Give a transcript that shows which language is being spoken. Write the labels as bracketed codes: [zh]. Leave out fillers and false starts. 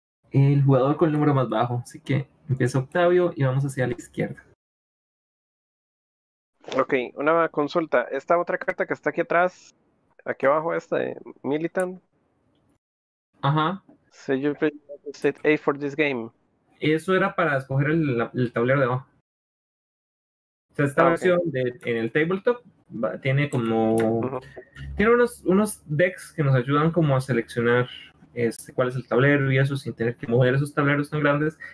[es] El jugador con el número más bajo. Así que empieza Octavio y vamos hacia la izquierda. Ok, una consulta. Esta otra carta que está aquí atrás, aquí abajo, esta de Militant. Ajá. [en] So you set A for this game. [es] Eso era para escoger el tablero de abajo. O sea, esta versión en el tabletop tiene como tiene unos decks que nos ayudan como a seleccionar cuál es el tablero y eso sin tener que mover esos tableros tan grandes.